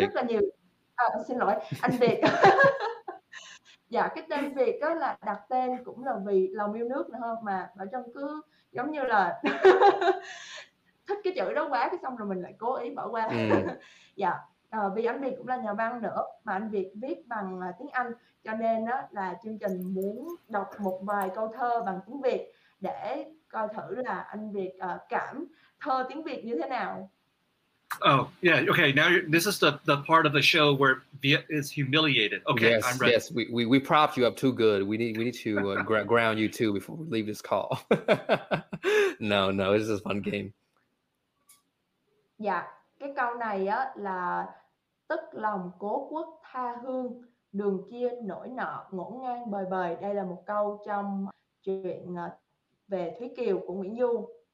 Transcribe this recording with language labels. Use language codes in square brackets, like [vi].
[vi] rất là nhiều xin lỗi anh Việt dạ, cái tên Việt đó là đặt tên cũng là vì lòng yêu nước nữa, mà Bảo Trân cứ giống như là thích cái chữ đó quá, cái xong rồi mình lại cố ý bỏ qua. Dạ. Vì anh Việt cũng là nhà văn nữa, mà anh Việt viết bằng tiếng Anh, cho nên đó là chương trình muốn đọc một vài câu thơ bằng tiếng Việt để coi thử là anh Việt cảm thơ tiếng Việt như thế nào. [en] Oh, yeah, okay, now this is the part of the show where Viet is humiliated. Okay, yes, I'm ready. Yes, we propped you up too good. We need to ground you too before we leave this call. No, this is a fun game. Yeah. [vi] Cái câu này á là tức lòng cố quốc tha hương, đường kia nổi nọ ngổ ngang bời bời. Đây là một câu trong chuyện về Thúy Kiều của Nguyễn Du.